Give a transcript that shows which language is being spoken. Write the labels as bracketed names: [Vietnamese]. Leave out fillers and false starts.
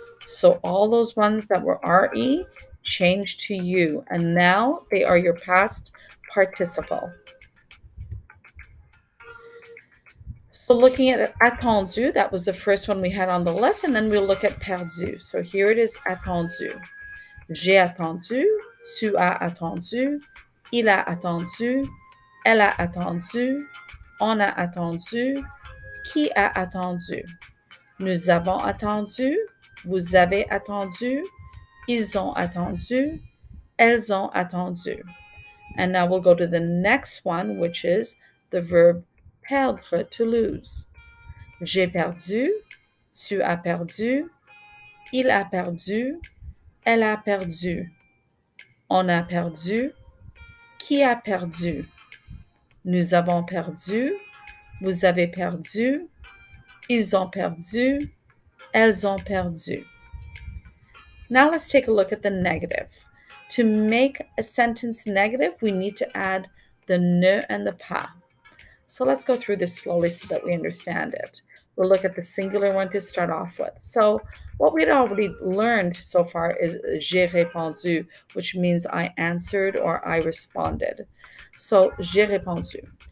[English] So all those ones that were RE changed to U, and now they are your past participle. So looking at attendu, that was the first one we had on the list, and then we'll look at perdu. So here it is, attendu. [French] J'ai attendu, tu as attendu, il a attendu, elle a attendu, on a attendu, qui a attendu? Nous avons attendu, vous avez attendu, ils ont attendu, elles ont attendu. [English] And now we'll go to the next one, which is the verb perdre, to lose. [French] J'ai perdu, tu as perdu, il a perdu, elle a perdu, on a perdu, qui a perdu? Nous avons perdu, vous avez perdu, ils ont perdu, elles ont perdu. [English] Now let's take a look at the negative. To make a sentence negative, we need to add the ne and the pas. So let's go through this slowly so that we understand it. We'll look at the singular one to start off with. So what we'd already learned so far is [French] j'ai répondu, [English] which means I answered or I responded. So j'ai répondu.